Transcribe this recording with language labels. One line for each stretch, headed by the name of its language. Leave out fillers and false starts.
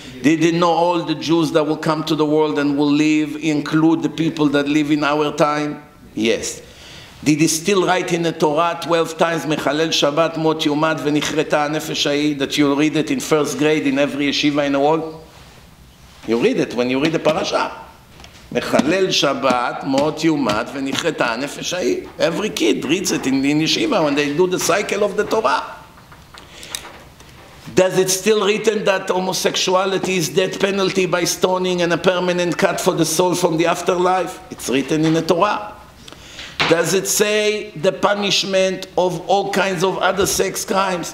English: Did he know all the Jews that will come to the world and will live, include the people that live in our time? Yes. Did he still write in the Torah 12 times,
Hebrew: Mechalel Shabbat Mot Yomad V'Nichreta HaNefesh Ha'i,
English: that you'll read it in first grade in every yeshiva in the world? You read it when you read the parasha.
Hebrew: מחלל שבת, מות יומת, ונחרטה הנפש ההיא.
English: Every kid reads it in yeshiva when they do the cycle of the Torah. Does it still written that homosexuality is death penalty by stoning and a permanent cut for the soul from the afterlife? It's written in the Torah. Does it say the punishment of all kinds of other sex crimes?